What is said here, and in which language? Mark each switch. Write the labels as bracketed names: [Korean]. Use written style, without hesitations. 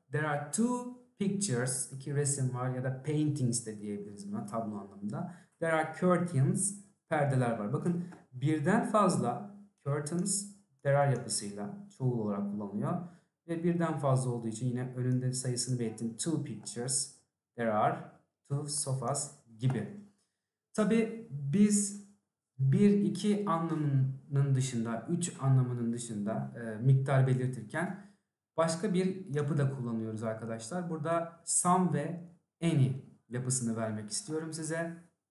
[English] There are two pictures, [Turkish] iki resim var ya da paintings de diyebiliriz buna tablo anlamında. [English] There are curtains, [Turkish] perdeler var. Bakın birden fazla curtains, there are yapısıyla çoğul olarak kullanılıyor. Ve birden fazla olduğu için yine önünde sayısını belirttim. [English] Two pictures, there are two sofas gibi. [Turkish] Tabii biz bir, iki anlamının dışında, üç anlamının dışında miktar belirtirken başka bir yapı da kullanıyoruz arkadaşlar. Burada some ve any yapısını vermek istiyorum size.